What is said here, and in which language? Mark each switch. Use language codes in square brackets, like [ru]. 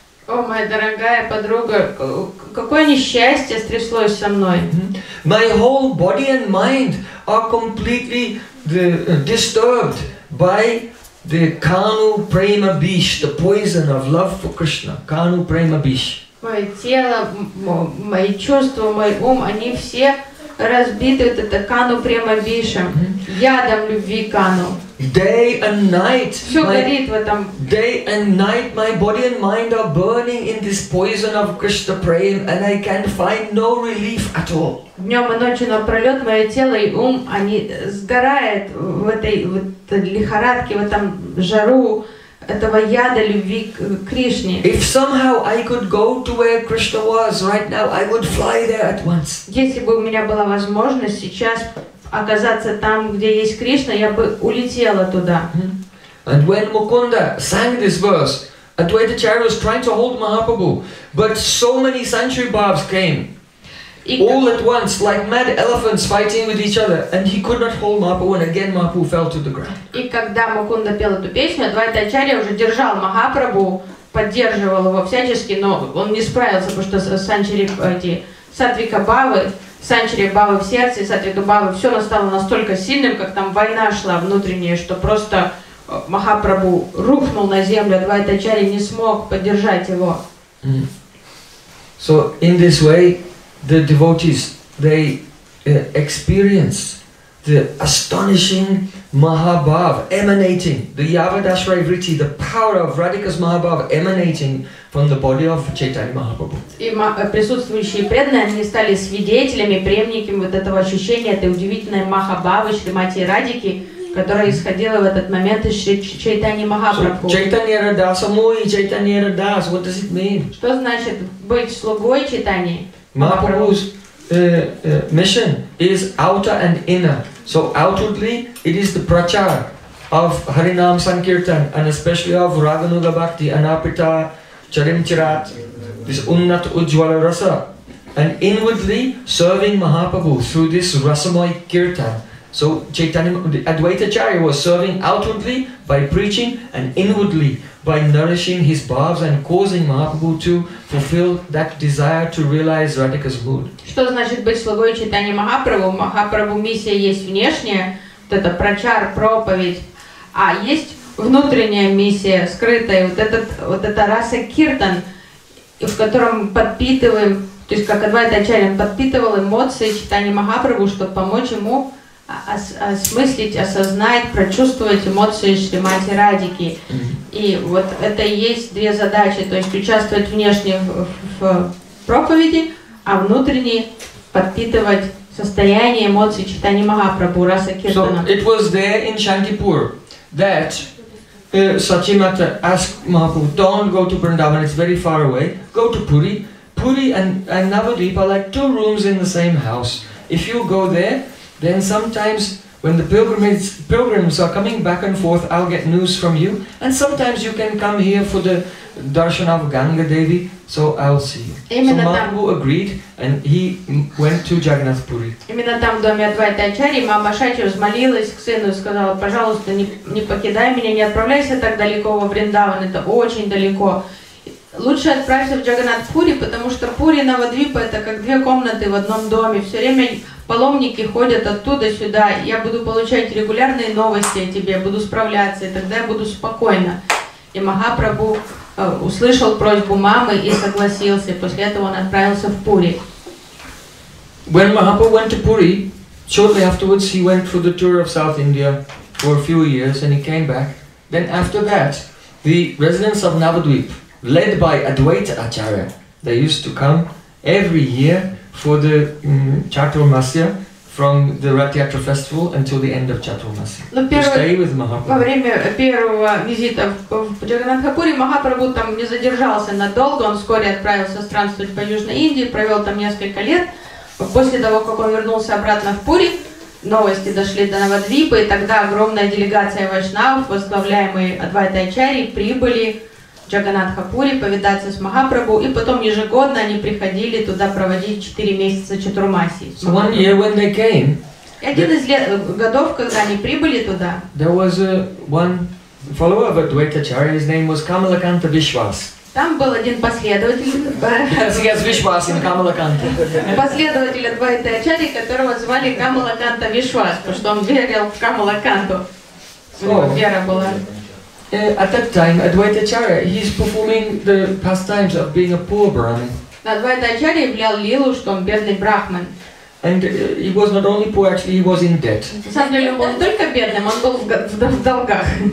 [ru] О, моя дорогая подруга, какое несчастье стряслось со мной. [en] My whole body and mind are completely disturbed by the Kanu Prema Bish, the poison of love for Krishna. Kanu Prema Bish. [ru] Мое тело, мои чувства, мой ум, они все разбиты вот это Kanu Prema Bisha, ядом любви Kanu. [en] Day and night. [ru] Все горит в этом. [en] Day and night, my body and mind are burning in this poison of Krishna prema, and I can find no relief at all. [ru] Днем и ночью напролет мое тело и ум они сгорают в этой вот лихорадке, в этом жару этого яда любви к Кришне. [en] If somehow I could go to where Krishna was right now, I would fly there at once. [ru] Если бы у меня была возможность сейчас оказаться там, где есть Кришна, я бы улетела туда. [en] And when Mukunda sang this verse, Advaita Acharya was trying to hold Mahaprabhu, but so many sanctuary bhavas came, all at once, like mad elephants fighting with each other, and he could not hold Mahaprabhu, and again Mahaprabhu fell to the ground. [ru] И когда Мукунда пел эту песню, Адвайта Ачарья уже держал Махапрабху, поддерживал его всячески, но он не справился, потому что санчари бавы в сердце, сатвика бавы, все настало настолько сильным, как там война шла внутренняя, что просто Махапрабху рухнул на землю, Адвайта Ачарья не смог поддержать его. [en] So in this way, the devotees, they experience the astonishing Mahabhav emanating, the Yavadashray Vritti, the power of Radhika's Mahabhav emanating from the body of Chaitanya Mahaprabhu. [ru] И присутствующие преданные, они стали свидетелями, преемниками вот этого ощущения, этой удивительной Махабхавы Шримати Радики, которая исходила в этот момент из Чайтани Махапрабху. Чайтанья Радаса, мой Чайтанья Радас, [en] what does it mean? [ru] Что значит быть слугой Чайтани [en] Махапрабху? Mission is outer and inner. So outwardly, it is the prachar of Harinam Sankirtan and especially of Raganuga Bhakti, Anapita, Charim Chirat, this Unnat Ujwala Rasa. And inwardly, serving Mahaprabhu through this Rasamoy Kirtan. So Advaita Acharya was serving outwardly by preaching and inwardly by nourishing his bhavs and causing Mahaprabhu to fulfill that desire to realize Radhika's mood. [ru] Что значит быть слугой Чайтаньи Махапрабху? Махапрабху миссия есть внешняя, вот это прочар, проповедь, а есть внутренняя миссия, скрытая, вот эта раса киртан, в котором подпитываем, то есть как Адвайта Ачарья, он подпитывал эмоции читания Махапрабху, чтобы помочь ему осмыслить, осознать, прочувствовать эмоции Шримати Радики. И вот это и есть две задачи, то есть участвовать внешне в проповеди, а внутренне подпитывать состояние эмоций читания Махапрабху, раса киртана. [en] So it was there in Shantipur that Satyamata asked Mahaprabhu, don't go to Vrindavan, it's very far away, go to Puri. Puri and Navadvipa are like two rooms in the same house. If you go there, then sometimes when the pilgrims are coming back and forth, I'll get news from you. And sometimes you can come here for the darshan of Ganga Devi, so I'll see you. [ru] Именно [en] so Mahaprabhu agreed and he went to Jagannath Puri. [ru] Именно там, в доме Адвайта Ачарьи, мама Шачи взмолилась к сыну и сказала, пожалуйста, не покидай меня, не отправляйся так далеко во Вриндаван, это очень далеко. Лучше отправься в Джаганнат Пури, потому что Пури и Навадвипа это как две комнаты в одном доме. Все время паломники ходят оттуда сюда. Я буду получать регулярные новости о тебе, буду справляться, и тогда я буду спокойна. И Махапрабху услышал просьбу мамы и согласился. После этого он отправился в Пури. [en] When Mahaprabhu went to Puri, shortly afterwards he went for the tour of South India for a few years and he came back. Then after that, the residents of Navadvip, led by Advaita Acharya, they used to come every year for the Chaturmasya from the Rath Yatra festival until the end of Chaturmasya. No, stay with Mahaprabhu. [ru] Во время первого визита в Джаганатхапури Махапрабху там не задержался надолго. Он вскоре отправился странствовать по Южной Индии, провел там несколько лет. После того, как он вернулся обратно в Пури, новости дошли до Навадвипы, и тогда огромная делегация вайшнавов, возглавляемые Адвайта Ачарьи, прибыли Джаганатхапури повидаться с Махапрабху, и потом ежегодно они приходили туда проводить 4 месяца Чатурмасии. [en] So one year when they came, [ru] годов, когда они прибыли туда, [en] there was one follower of Advaita Acharya, his name was Kamalakanta Vishwas. [ru] Там был один последователь. [en] Yes, Vishwas in Kamalakanta. [ru] Последователь Advaita Acharya, которого звали Kamalakanta Vishwas, потому что он верил в Kamalakanta. Вера была. [en] At that time, Advaita Acharya, he is performing the pastimes of being a poor Brahmin. [ru] Advaita Acharya являл лилу, что он бедный брахман. [en] And he was not only poor, actually he was in debt. [ru] На самом деле он был только бедным, он был в долгах.